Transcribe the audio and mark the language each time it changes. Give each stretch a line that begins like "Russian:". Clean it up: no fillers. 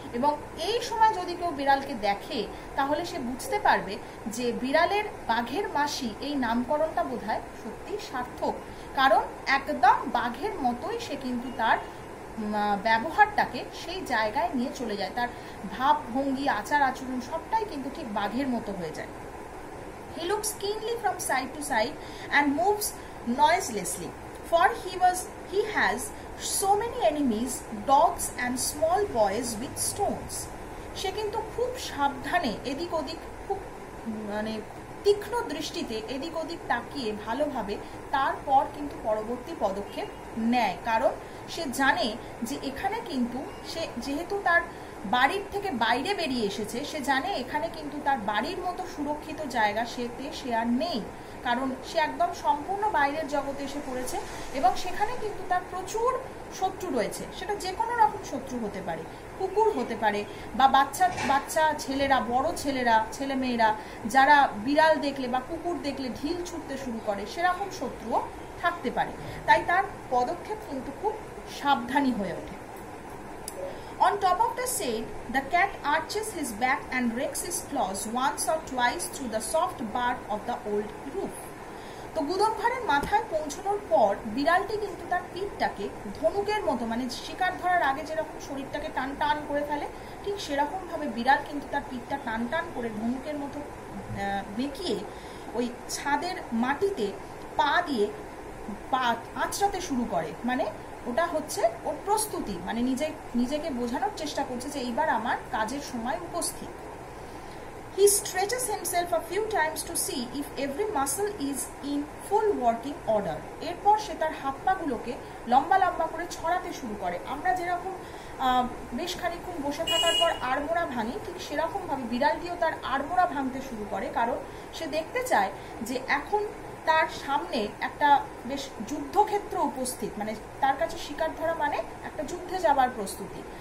Bangla: এবং এই সময় যদি কেউ বিড়ালকে দেখে তাহলে সে বুঝতে পারবে যে বিড়ালের বাঘের মাসি এই নামকরণটা বোধহয় সত্যি সার্থক, কারণ একদম বাঘের মতোই সে কিন্তু তার ব্যবহারটাকে সেই জায়গায় নিয়ে চলে যায়, তার ভাব ভঙ্গি আচার আচরণ সবটাই কিন্তু ঠিক বাঘের মতো হয়ে যায়।
English: He looks keenly from side to side and moves noiselessly, for he has so many enemies, dogs and small boys with stones.
Bangla: সে কিন্তু খুব সাবধানে এদিক ওদিক খুব মানে তীক্ষ্ণ দৃষ্টিতে এদিক ওদিক তাকিয়ে ভালোভাবে তারপর কিন্তু পরবর্তী পদক্ষেপ নেয়, কারণ সে জানে যে এখানে কিন্তু সে যেহেতু তার বাড়ির থেকে বাইরে বেরিয়ে এসেছে, সে জানে এখানে কিন্তু তার বাড়ির মতো সুরক্ষিত জায়গা সেতে সে আর নেই, কারণ সে একদম সম্পূর্ণ বাইরের জগতে এসে পড়েছে এবং সেখানে কিন্তু তার প্রচুর শত্রু রয়েছে। সেটা যে কোনো রকম শত্রু হতে পারে, কুকুর হতে পারে বা বাচ্চা ছেলেরা বড় ছেলেরা ছেলেমেয়েরা যারা বিড়াল দেখলে বা কুকুর দেখলে ঢিল ছুটতে শুরু করে সেরকম শত্রুও থাকতে পারে, তাই তার পদক্ষেপ কিন্তু খুব সাবধানী হয়ে ওঠে।
English: On top of the shed, the cat arches his back and rakes his claws once or twice through the soft bark of the old roof.
Bangla: তো গুদম ঘরের মাথায় পৌঁছানোর পর বিড়ালটি কিন্তু তার পিঠটাকে ধনুকের মতো মানে শিকার ধরার আগে যেরকম শরীরটাকে টান টান করে ফেলে, ঠিক সেরকমভাবে বিড়াল কিন্তু তার পিঠটা টান টান করে ধনুকের মতো বেঁকিয়ে ওই ছাদের মাটিতে পা দিয়ে পা আঁচড়াতে শুরু করে, মানে ওটা হচ্ছে ওর প্রস্তুতি, মানে নিজেকে বোঝানোর চেষ্টা করছে যে এইবার আমার কাজের সময় উপস্থিত।
English: He stretches himself a few times to see if every muscle is in full working order.
Bangla: এরপর সে তার হাত পা গুলোকে লম্বা লম্বা করে ছড়াতে শুরু করে। আমরা যেরকম বেশ খানিকক্ষণ বসে থাকার পর আড়মোড়া ভাঙি, ঠিক সেরকম ভাবে বিড়ালটিও তার আড়মোড়া ভাঙতে শুরু করে, কারণ সে দেখতে চায় যে এখন তার সামনে একটা বেশ যুদ্ধক্ষেত্র উপস্থিত, মানে তার কাছে শিকার ধরা মানে একটা যুদ্ধে যাবার প্রস্তুতি।